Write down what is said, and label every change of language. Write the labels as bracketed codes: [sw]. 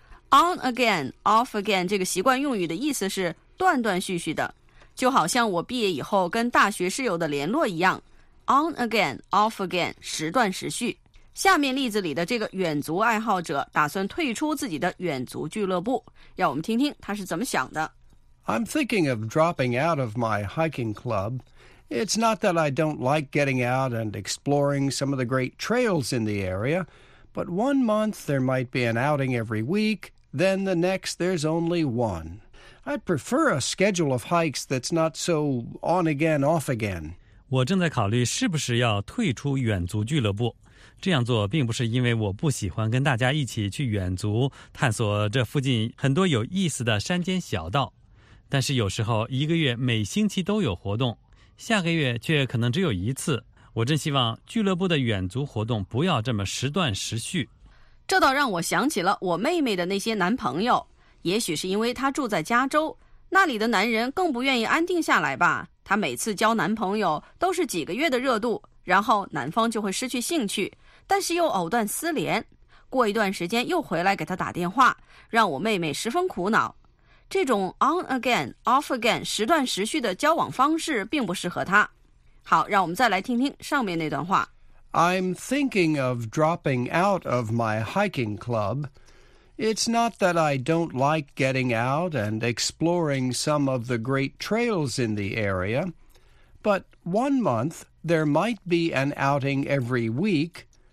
[zh] On again, off again 这个习惯用语的意思是断断续续的，就好像我毕业以后跟大学室友的联络一样。 [en] On again, off again, [zh] 时断时续。下面例子里的这个远足爱好者打算退出自己的远足俱乐部，让我们听听他是怎么想的。 [en] I'm thinking of dropping out of my hiking club. It's not that I don't like getting out and exploring some of the great trails in the area, but one month there might be an outing every week, then the next there's only one. I'd prefer a schedule of hikes that's not so on again, off again. [zh] 我正在考虑是不是要退出远足俱乐部。这样做并不是因为我不喜欢跟大家一起去远足，探索这附近很多有意思的山间小道。但是有时候一个月每星期都有活动。下个月却可能只有一次，我真希望俱乐部的远足活动不要这么时断时续。这倒让我想起了我妹妹的那些男朋友，也许是因为她住在加州，那里的男人更不愿意安定下来吧。她每次交男朋友都是几个月的热度，然后男方就会失去兴趣，但是又藕断丝连，过一段时间又回来给她打电话，让我妹妹十分苦恼。这种 on again, off again, 时断时续的交往方式并不适合他。好，让我们再来听听上面那段话。 [en] I'm thinking of dropping out of my hiking club. It's not that I don't like getting out and exploring some of the great trails in the area, But 1 month, there might be an outing every week.